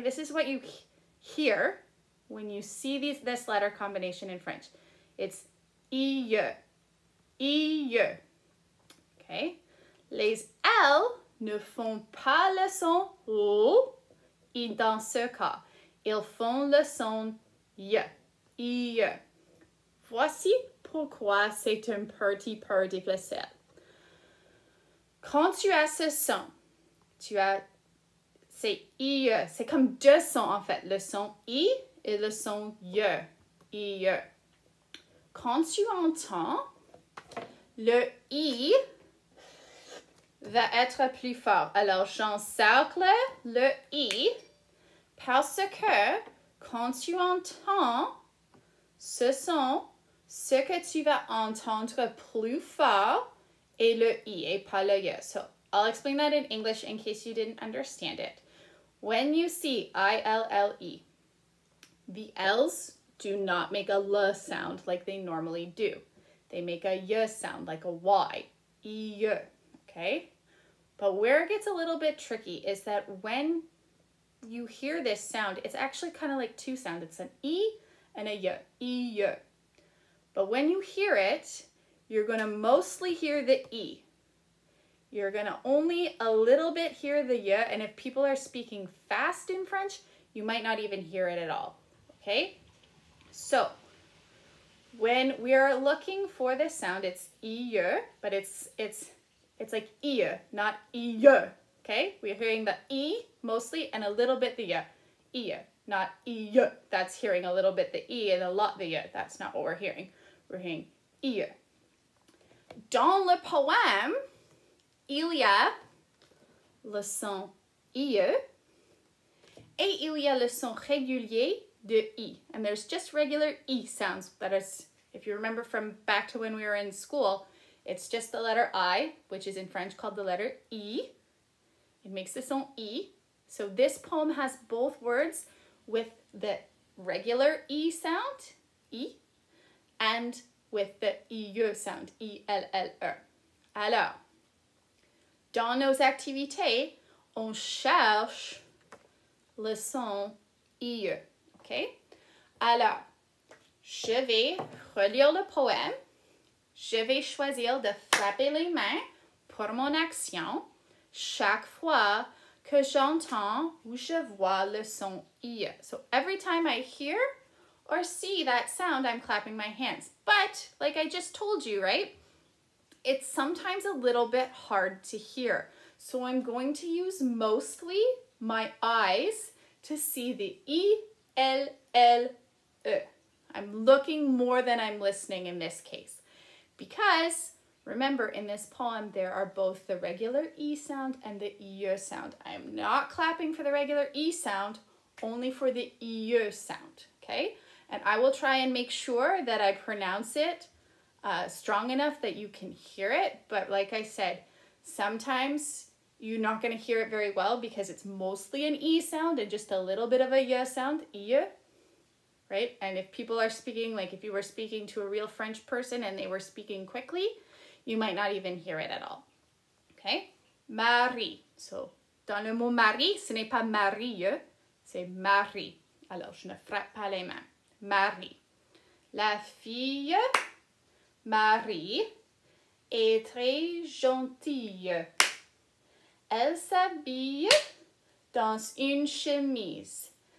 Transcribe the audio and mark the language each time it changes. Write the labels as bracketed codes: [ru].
[en] This is what you hear when you see this letter combination in French. It's I-E. I-E. OK? [fr] Les L ne font pas le son O dans ce cas. Ils font le son I-E. I-E. Voici pourquoi c'est un petit peu difficile. Quand tu as ce son, c'est I-E. C'est comme deux sons en fait. Le son I et le son I-E. I-E. Quand tu entends, le I va être plus fort. Alors, j'encercle le I parce que quand tu entends ce son, ce que tu vas entendre plus fort est le I et pas le I. [en] So, I'll explain that in English in case you didn't understand it. When you see I-L-L-E, the L's do not make a L sound like they normally do. They make a Y sound, like a Y. I-Y, okay? But where it gets a little bit tricky is that when you hear this sound, it's actually kind of like two sounds. It's an e and a y, e, y. But when you hear it, you're going to mostly hear the e. You're going to only a little bit hear the y, and if people are speaking fast in French, you might not even hear it at all, okay? So, when we are looking for this sound, it's ille, but it's like ille, not ille, okay? We're hearing the e mostly and a little bit the y, ille, not ille. That's hearing a little bit the e and a lot the y. That's not what we're hearing. We're hearing ille. [fr] Dans le poème, il y a le son ille et il y a le son régulier de I. [en] And there's just regular E sounds, but as if you remember from back to when we were in school, it's just the letter I, which is in French called the letter E. It makes the son E. So this poem has both words with the regular E sound, E, and with the IE sound, ILLE. [fr] Alors, dans nos activités, on cherche le son IE. Okay. Alors, je vais relire le poème. Je vais choisir de frapper les mains pour mon action chaque fois que j'entends ou je vois le son ille. [en] So every time I hear or see that sound, I'm clapping my hands. But like I just told you, right? It's sometimes a little bit hard to hear. So I'm going to use mostly my eyes to see the e. L, L, E. I'm looking more than I'm listening in this case. Because, remember, in this poem, there are both the regular E sound and the E sound. I'm not clapping for the regular E sound, only for the E sound, okay? And I will try and make sure that I pronounce it strong enough that you can hear it. But like I said, sometimes you're not going to hear it very well because it's mostly an E sound and just a little bit of a Y sound, ille, right? And if people are speaking, like if you were speaking to a real French person and they were speaking quickly, you might not even hear it at all, okay? [fr] Marie. So, dans le mot Marie, ce n'est pas Marie, c'est Marie. Alors, je ne frappe pas les mains. Marie. La fille Marie est très gentille. Elle s'habille dans une chemise.